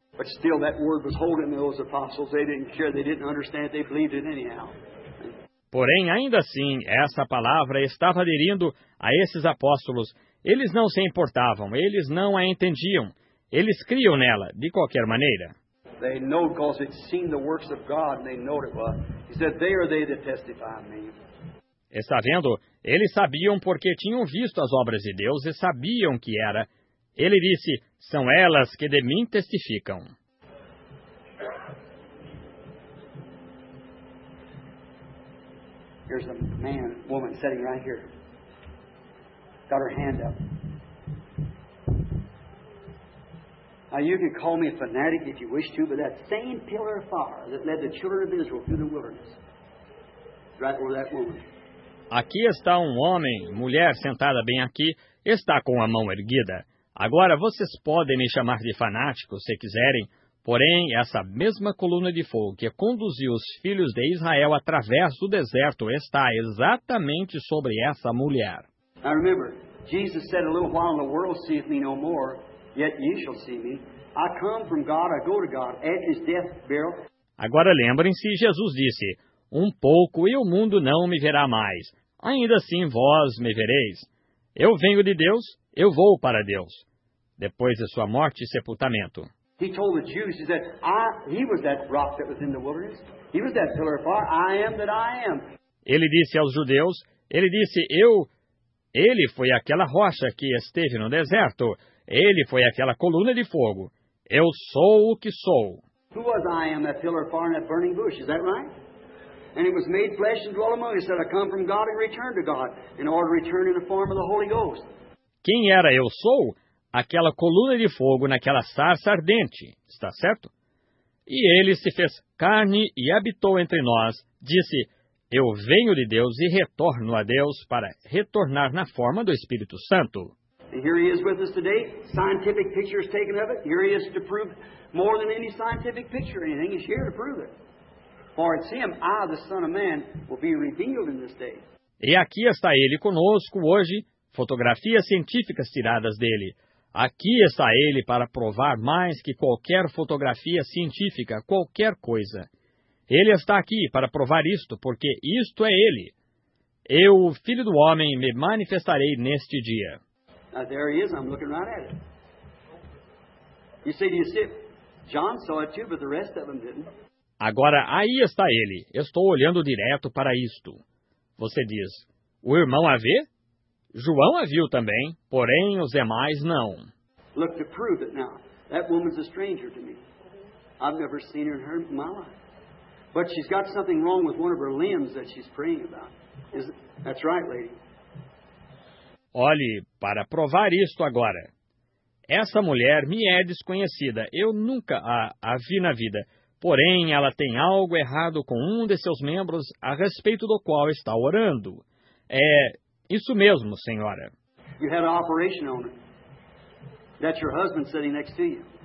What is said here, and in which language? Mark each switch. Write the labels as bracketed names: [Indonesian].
[English] But still that word was holding those apostles. They didn't care, they didn't understand it, they believed it anyhow. [Portuguese] Porém, ainda assim, essa palavra estava aderindo a esses apóstolos. Eles não se importavam, eles não a entendiam. Eles criam nela, de qualquer maneira. [English] They know because it's seen the works of God and they know it well. He said, they are they that testify of me. [Portuguese] Está vendo? Eles sabiam porque tinham visto as obras de Deus e sabiam que era. Ele disse, são elas que de mim testificam. [English] Here's a man, woman sitting right here. Got her hand up. Now you can call me a fanatic if you wish to, but that same pillar of fire that led the children of Israel through the wilderness, right over that woman. [Portuguese] Aqui está um homem, mulher sentada bem aqui, está com a mão erguida. Agora, vocês podem me chamar de fanático, se quiserem, porém, essa mesma coluna de fogo que conduziu os filhos de Israel através do deserto está exatamente sobre essa mulher. [English] Now remember, Jesus said a little while in the world seeth me no more, yet ye shall see me. I come from God, I go to God, at his death burial. [Portuguese] Agora lembrem-se, Jesus disse, um pouco e o mundo não me verá mais. Ainda assim, vós me vereis. Eu venho de Deus, eu vou para Deus. Depois de sua morte e sepultamento. [English] He told the Jews, he said, he was that rock that was in the wilderness. He was that pillar of fire. I am that I am. [Portuguese] Ele disse aos judeus, ele disse, eu... Ele foi aquela rocha que esteve no deserto. Ele foi aquela coluna de fogo. Eu sou o que sou. [English] Who was I am, that pillar of fire and that burning bush, is that right? And it was made flesh and dwelt among us. That I come from God and return to God, in order to return in the form of the Holy Ghost. [Portuguese] Quem era eu sou? Aquela coluna de fogo naquela sarça ardente, está certo? E ele se fez carne e habitou entre nós. Disse: Eu venho de Deus e retorno a Deus para retornar na forma do Espírito Santo. [English] And here he is with us today. Scientific picture is taken of it. Here he is to prove more than any scientific picture. Anything is here to prove it. For it's him, I, the Son of Man, will be revealed in this day. [Portuguese] E aqui está ele conosco hoje, fotografias científicas tiradas dele. Aqui está ele para provar mais que qualquer fotografia científica, qualquer coisa. Ele está aqui para provar isto, porque isto é ele. Eu, Filho do Homem, me manifestarei neste dia. [English] Now there he is, I'm looking right at it. You see, you see, John saw it too, but the rest of them didn't. [Portuguese] Agora, aí está ele. Estou olhando direto para isto. Você diz, o irmão a vê? João a viu também, porém os demais não. [English] Look to prove it now. That woman's a stranger to me. I've never seen her in her my life. But she's got something wrong with one of her limbs that she's praying about. Is it? That's right, lady. [Portuguese] Olhe, para provar isto agora. Essa mulher me é desconhecida. Eu nunca a vi na vida. Porém, ela tem algo errado com um de seus membros a respeito do qual está orando. É isso mesmo, senhora. [English] You had an operation on her. That's your husband sitting next to you.